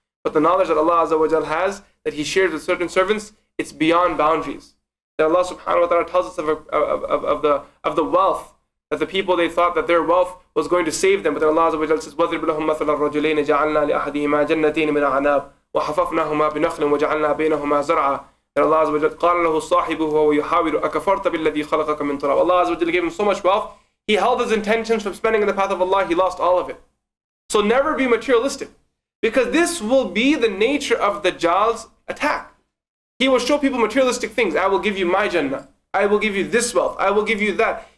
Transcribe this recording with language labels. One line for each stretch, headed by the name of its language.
English: But the knowledge that Allah Azza wa Jal has, that He shares with certain servants, it's beyond boundaries. That Allah Subhanahu wa Ta'ala tells us of the wealth, that the people, they thought that their wealth was going to save them, but then Allah Azza wa Jal says,
Arabic: وَذِرْبِ لَهُمْ مَثَلَ الرَّجُلَيْنِ جَعَلْنَا لِأَحَدِهِمَا جَنَّتَيْنِ مِنَ عَنَابٍ وَحَفَفْنَاهُمَا بِنَخْلٍ وَجَعَلْنَا بَيْنَهُمَا زَرْعًا. And Allah Azza wa Jalla قَالَ لَهُ صَاحِبُهُ وَهُوَ يُحَاوِرُ أَكَفَرْتَ بِالَّذِي خَلَقَكَ مِنْ تُرَابٍ.
English: Allah Azza wa Jalla gave him so much wealth, he held his intentions from spending in the path of Allah, he lost all of it. So never be materialistic, because this will be the nature of Dajjal's attack. He will show people materialistic things. I will give you my Jannah. I will give you this wealth. I will give you that.